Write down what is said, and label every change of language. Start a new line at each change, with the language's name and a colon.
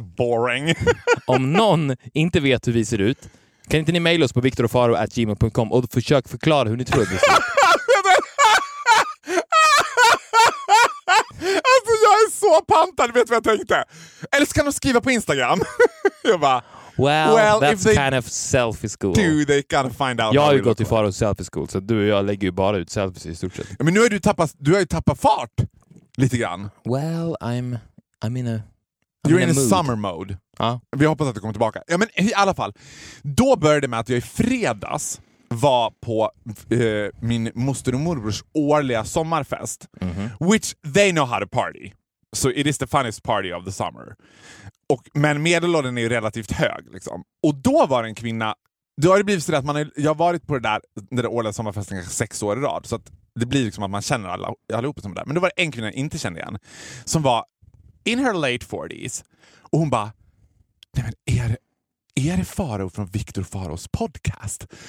English: Boring?
Swedish: Om någon inte vet hur vi ser ut, kan inte ni mejla oss på victorofaro@gmail.com och försök förklara hur ni tror att vi ser ut. Alltså jag är så pantad, vet du vad jag tänkte? Eller ska de skriva på Instagram? Jag bara...
English: Well, that's kind of selfie school. Do they kind of find out?
Swedish: Jag har ju gått till Faros selfie school, så du och jag lägger ju bara ut selfies i stort sett. Men nu har du har ju tappat fart lite grann.
English: Well, I'm in a I'm you're in a mood. Summer mode.
Swedish: Ja. Vi hoppas att du kommer tillbaka. Ja, men i alla fall, då började det med att jag i fredags var på min moster och morbrors årliga sommarfest. Mm-hmm.
English: Which they know how to party. So it is the funnest party of the summer.
Swedish: Och, men medelåldern är ju relativt hög liksom. Och då var det en kvinna, då har det blivit så att man är, jag har varit på det där när det årliga sommarfesten kanske 6 år i rad, så att det blir liksom att man känner alla allihopa som där. Men då var det en kvinna jag inte kände igen som var
English: in her late 40s
Swedish: och hon bara: nej men är det Faro från Victor Faros podcast?